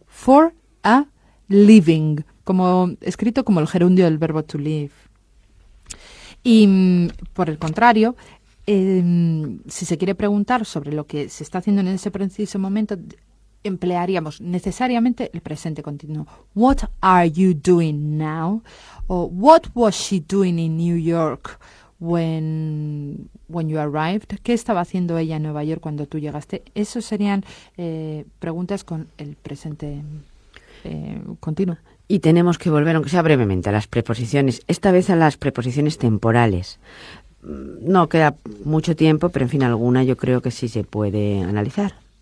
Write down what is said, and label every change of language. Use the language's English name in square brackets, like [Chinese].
[English] For a living, [Spanish] como escrito como el gerundio del verbo to live. Y por el contrario, si se quiere preguntar sobre lo que se está haciendo en ese preciso momento, emplearíamos necesariamente el presente continuo. [English] What are you doing now? O what was she doing in New York when you arrived? [Spanish] ¿Qué estaba haciendo ella en Nueva York cuando tú llegaste? Esos serían preguntas con el presente continuo. Y tenemos que volver, aunque sea brevemente, a las preposiciones. Esta vez a las preposiciones temporales. No queda mucho tiempo, pero en fin, alguna yo creo que sí se puede analizar.